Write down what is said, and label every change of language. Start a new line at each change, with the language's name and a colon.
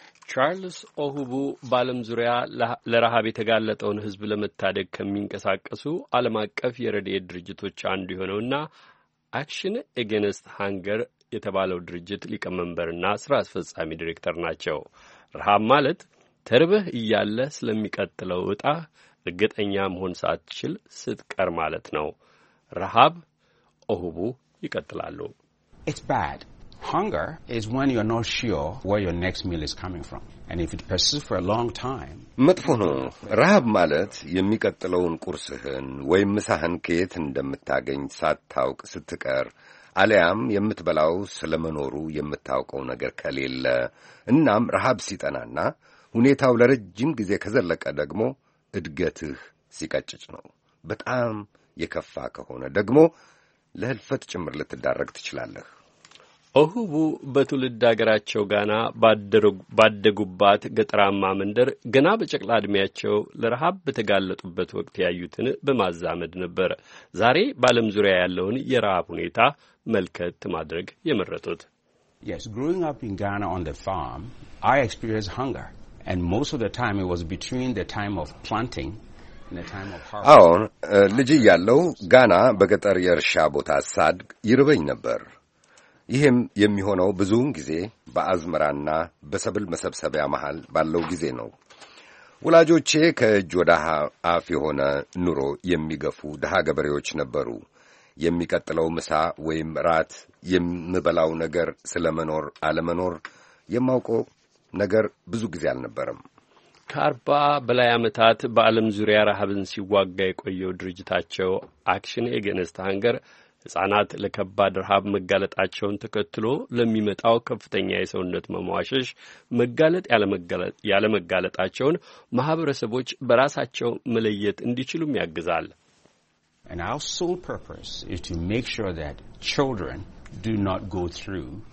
Amharic: ቻርልስ ኦሁቡ ባለም ዙሪያ ለረሃብ የተጋለጠውን ህዝብ ለመታደግ ከሚንቀሳቀሱ ዓለም አቀፍ የረድኤት ድርጅቶች አንዱ የሆነውና አክሽን አገንስት ሃንገር የተባለው ድርጅት ሊቀመንበርና ስራ አስፈጻሚ ዲሬክተር ናቸው። ረሃብ ማለት ተርበህ እያለ ስለሚቀጥለው ዕጣ እርግጠኛ መሆን ሳትችል ስትቀር ማለት ነው። ረሃብ ኦሁቡ ይቀጥላሉ።
English: It's bad. Hunger is when you're not sure where your next meal is coming from. And if it persists for a long time,
Amharic: መጥፎኑ ረሃብ ማለት የሚቀጥለውን ቁርስህን ወይም ምሳህን ከየት እንደምታገኝ ሳትታውቅ ስትቀር አለያም የምትበላው ስለመኖሩ የምታውቀው ነገር ከሌለ እናም ረሃብ ሲጠናና ሁኔታው ለረጅም ጊዜ ከዘለቀ ደግሞ እድገትህ ሲቀጭጭ ነው። በጣም የከፋ ከሆነ ደግሞ ለህልፈት ጭምር ልትዳረግ ትችላለህ። ኦሁቡ በትውልድ አገራቸው ጋና ባደጉባት ገጠራማ መንደር ገና በጨቅላ ዕድሜያቸው ለረሃብ በተጋለጡበት ወቅት ያዩትን በማዛመድ ነበር ዛሬ በዓለም ዙሪያ ያለውን የረሃብ ሁኔታ መልከት ማድረግ የመረጡት።
English: Yes, growing up in Ghana on the farm, I experienced hunger, and most of the time it was between the time of planting
Amharic: አሁን ልጅ ያለው ጋና በገጠር የርሻ ቦታ ሳድግ ይርበኝ ነበር። ይህም የሚሆነው ብዙውን ጊዜ በአዝመራና በሰብል መሰብሰቢያ መሃል ባለው ጊዜ ነው። ወላጆቼ ከእጅ ወደ አፍ የሆነ ኑሮ የሚገፉ ደሃ ገበሬዎች ነበሩ። የሚቀጥለው ምሳ ወይም ራት የምበላው ነገር ስለመኖር አለመኖር የማውቀው ነገር ብዙ ጊዜ አልነበረም። ከአርባ በላይ ዓመታት በዓለም ዙሪያ ረሃብን ሲዋጋ የቆየው ድርጅታቸው አክሽን አጌንስት ሃንገር ሕፃናት ለከባድ ረሃብ መጋለጣቸውን ተከትሎ ለሚመጣው ከፍተኛ የሰውነት መሟሸሽ መጋለጥ ያለመጋለጣቸውን ማኅበረሰቦች በራሳቸው መለየት እንዲችሉም ያግዛል።
English: And our sole purpose is to make sure that children do not go through